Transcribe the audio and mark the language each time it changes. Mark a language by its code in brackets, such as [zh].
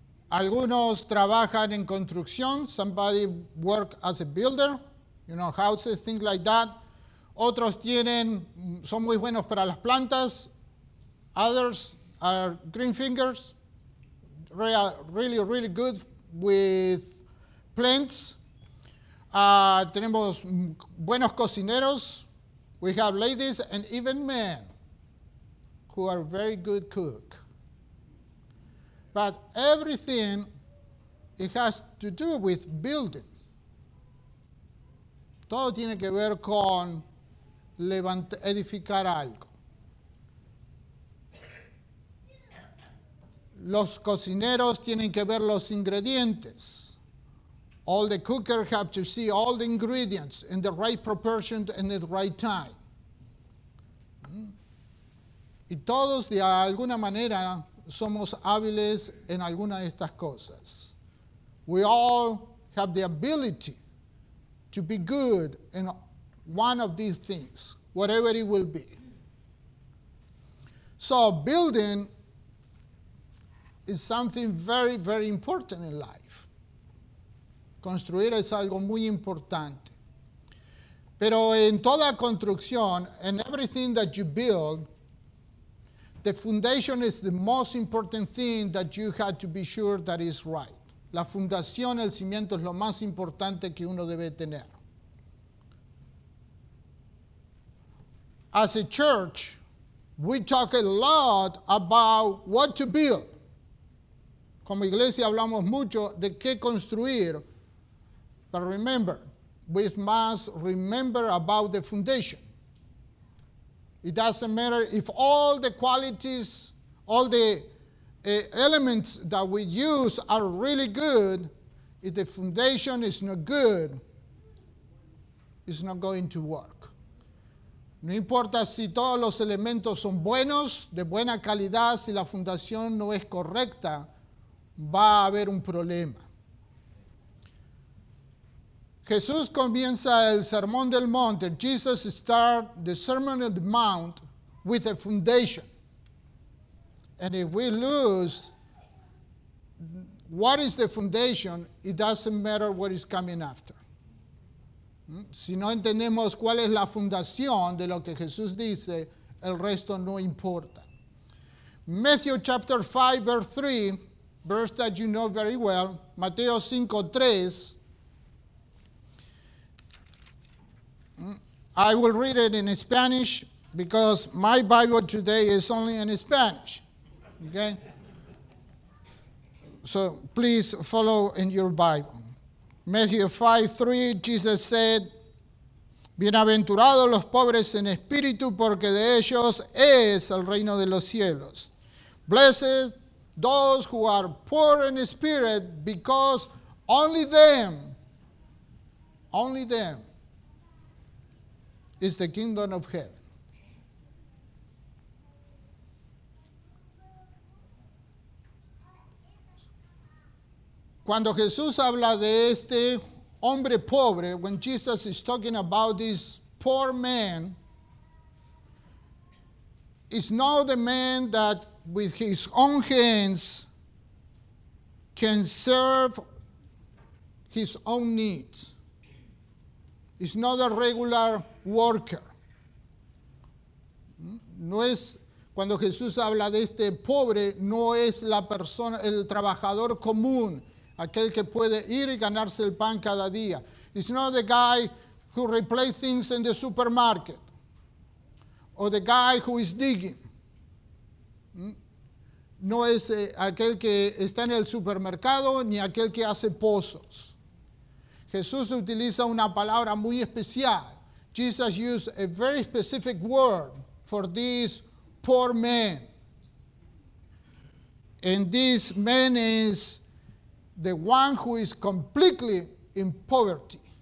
[es] Algunos trabajan en construcción. [en] Somebody work as a builder. You know, houses, things like that. [es] Otros tienen, son muy buenos para las plantas. [en] Others are green fingers, really, really good with plants. [es] Tenemos buenos cocineros. [en] We have ladies and even men who are very good cook. But everything, it has to do with building. [es] Todo tiene que ver con edificar algo. Los cocineros tienen que ver los ingredientes. [en] All the cookers have to see all the ingredients in the right proportion and at the right time. [es] Y todos de alguna manera somos hábiles en alguna de estas cosas. [en] We all have the ability to be good in one of these things, whatever it will be. So building is something very, very important in life. [es] Construir es algo muy importante. Pero en toda construcción, [en] and everything that you build, the foundation is the most important thing that you have to be sure that is right. [es] La fundación, el cimiento, es lo más importante que uno debe tener. [en] As a church, we talk a lot about what to build. [es] Como iglesia hablamos mucho de qué construir, [en] but remember, we must remember about the foundation. It doesn't matter if all the qualities, all the elements that we use are really good, if the foundation is not good, it's not going to work. [es] No importa si todos los elementos son buenos, de buena calidad, si la fundación no es correcta, va a haber un problema. Jesús comienza el Sermón del Monte. [en] Jesus starts the Sermon on the Mount with a foundation. And if we lose what is the foundation, it doesn't matter what is coming after. [es] Si no entendemos cuál es la fundación de lo que Jesús dice, el resto no importa. [en] Matthew chapter 5, verse 3, verse that you know very well. [es] Mateo 5, 3. [en] I will read it in Spanish because my Bible today is only in Spanish. Okay? So please follow in your Bible. Matthew 5, 3, Jesus said, [es] Bienaventurados los pobres en espíritu, porque de ellos es el reino de los cielos. [en] Blessed those who are poor in spirit, because only them is the kingdom of heaven. [es] Cuando Jesús habla de este hombre pobre, [en] when Jesus is talking about this poor man, it's not the man that with his own hands can serve his own needs. It's not a regular worker. [es] No es, cuando Jesús habla de este pobre, no es la persona, el trabajador común, aquel que puede ir y ganarse el pan cada día. [en] It's not the guy who replaces things in the supermarket, or the guy who is digging. [es] No es aquel que está en el supermercado ni aquel que hace pozos. Jesús utiliza una palabra muy especial. [en] Jesus used a very specific word for this poor man. And this man is the one who is completely in poverty.